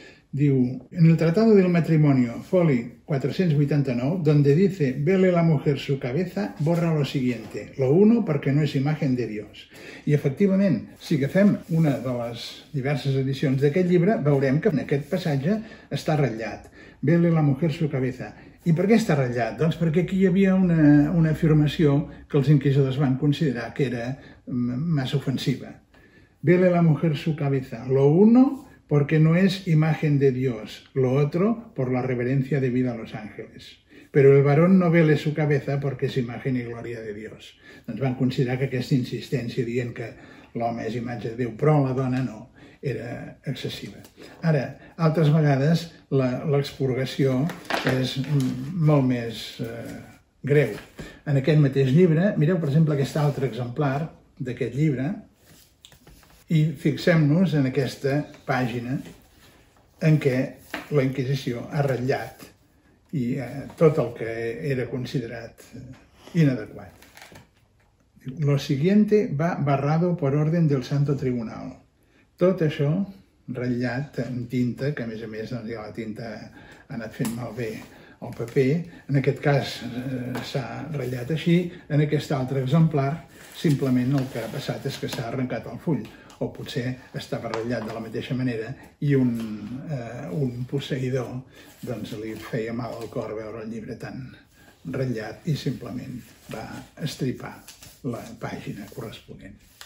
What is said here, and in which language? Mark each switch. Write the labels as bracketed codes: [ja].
[es] Diu, en el Tratado del Matrimonio, Foli 489, donde dice, vele la mujer su cabeza, borra lo siguiente, lo uno porque no es imagen de Dios. [ca] I efectivament, si agafem una de les diverses edicions d'aquest llibre, veurem que en aquest passatge està ratllat. [es] Vele la mujer su cabeza. [ca] I per què està ratllat? Doncs perquè aquí hi havia una afirmació que els inquisidors van considerar que era massa ofensiva. [es] Vele la mujer su cabeza, lo uno porque no es imagen de Dios, lo otro por la reverencia debida a los ángeles. Pero el varón no vele su cabeza porque es imagen y gloria de Dios. [ca] Doncs van considerar que aquesta insistència dient que l'home és imatge de Déu, però la dona no, era excessiva. Ara, altres vegades l'expurgació és molt més greu. En aquest mateix llibre, mireu per exemple aquest altre exemplar d'aquest llibre, i fixem-nos en aquesta pàgina en què la Inquisició ha ratllat i tot el que era considerat inadequat. [es] Lo siguiente va barrado por orden del Santo Tribunal. [ca] Tot això ratllat amb tinta, que a més doncs, ja la tinta ha anat fent malbé el paper. En aquest cas s'ha ratllat així. En aquest altre exemplar, simplement el que ha passat és que s'ha arrencat el full. O potser estava ratllat de la mateixa manera i un posseïdor doncs, li feia mal al cor veure el llibre tan ratllat i simplement va estripar la pàgina corresponent.